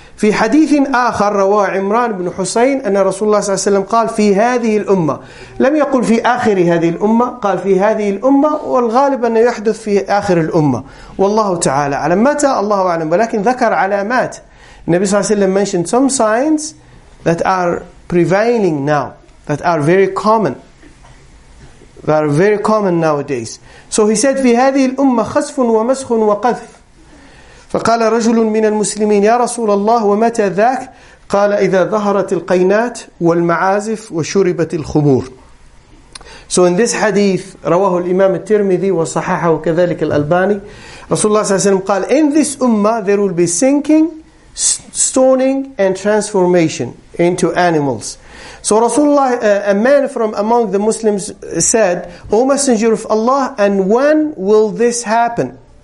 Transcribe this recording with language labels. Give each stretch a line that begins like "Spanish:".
Arabic: في حديث آخر روى عمران بن حسين أن رسول الله صلى الله عليه وسلم قال في هذه الأمة, لم يقل في آخر هذه الأمة, قال في هذه الأمة, والغالب أن يحدث في آخر الأمة. والله تعالى أعلم متى, الله أعلم, ولكن ذكر علامات.
English: Nabi sallallahu alayhi wa sallam mentioned some signs that are prevailing now, that are very common, that are very common nowadays. So he said,
Arabic: في هذه الأمة خسف ومسخ وقذف. فقال رجل من المسلمين يا رسول الله ومتى ذاك؟ قال إذا ظهرت القينات والمعازف وشربت الخمور.
English: So in this hadith,
Arabic: رواه الإمام الترمذي وصححه كذلك الألباني,
English: رسول الله صلى الله عليه وسلم قال, in this ummah there will be sinking, stoning and transformation into animals. So Rasulullah, a man from among the Muslims said, O Messenger of Allah, and when will this happen?